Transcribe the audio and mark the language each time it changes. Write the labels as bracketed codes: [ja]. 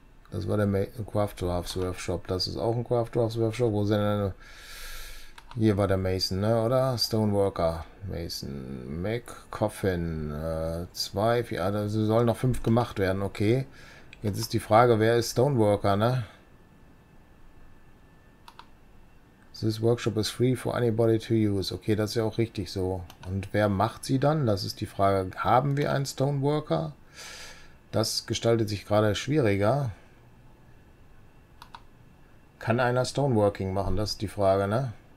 [de] Das war der Crafter's Workshop. Das ist auch ein Crafter's Workshop. Wo sind denn. Hier war der Mason, ne, oder? Stoneworker. Mason. McCoffin. 2, 4. Ja, da sollen noch 5 gemacht werden. Okay. Jetzt ist die Frage, wer ist Stoneworker, ne? [en] This workshop is free for anybody to use. [de] Okay, das ist ja auch richtig so. Und wer macht sie dann? Das ist die Frage. Haben wir einen Stoneworker? Das gestaltet sich gerade schwieriger. Kann einer Stoneworking machen? Das ist die Frage, ne?